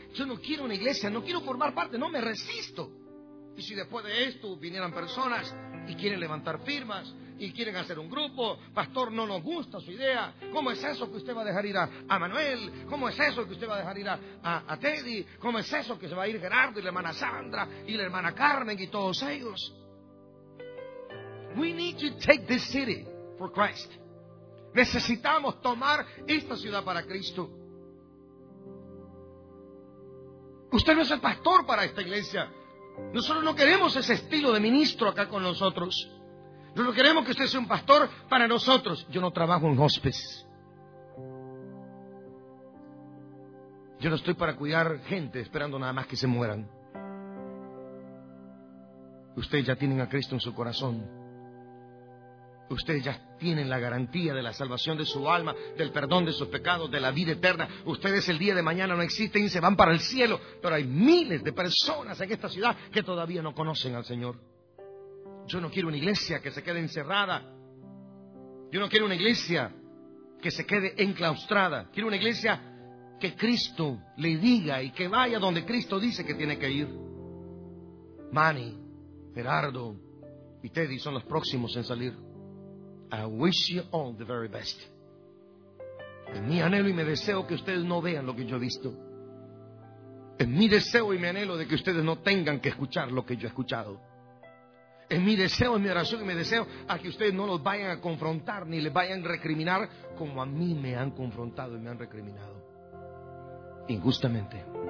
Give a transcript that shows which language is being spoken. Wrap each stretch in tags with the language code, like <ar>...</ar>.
<es>Yo no quiero una iglesia, no quiero formar parte, no me resisto. Y si después de esto vinieran personas y quieren levantar firmas, y quieren hacer un grupo, pastor, no nos gusta su idea, ¿cómo es eso que usted va a dejar ir a Manuel? ¿Cómo es eso que usted va a dejar ir a Teddy? ¿Cómo es eso que se va a ir Gerardo y la hermana Sandra y la hermana Carmen y todos ellos?</es> <en>We need to take this city for Christ.</en> <es>Necesitamos tomar esta ciudad para Cristo. Usted no es el pastor para esta iglesia. Nosotros no queremos ese estilo de ministro acá con nosotros. No queremos que usted sea un pastor para nosotros. Yo no trabajo en hospice. Yo no estoy para cuidar gente esperando nada más que se mueran. Ustedes ya tienen a Cristo en su corazón. Ustedes ya tienen la garantía de la salvación de su alma, del perdón de sus pecados, de la vida eterna. Ustedes el día de mañana no existen y se van para el cielo. Pero hay miles de personas en esta ciudad que todavía no conocen al Señor. Yo no quiero una iglesia que se quede encerrada. Yo no quiero una iglesia que se quede enclaustrada. Quiero una iglesia que Cristo le diga y que vaya donde Cristo dice que tiene que ir. Manny, Gerardo y Teddy son los próximos en salir.</es> <en>I wish you all the very best.</en> <es>Es mi anhelo y mi deseo que ustedes no vean lo que yo he visto. Es mi deseo y mi anhelo de que ustedes no tengan que escuchar lo que yo he escuchado. Es mi deseo, es mi oración y mi deseo a que ustedes no los vayan a confrontar ni les vayan a recriminar como a mí me han confrontado y me han recriminado injustamente.</es>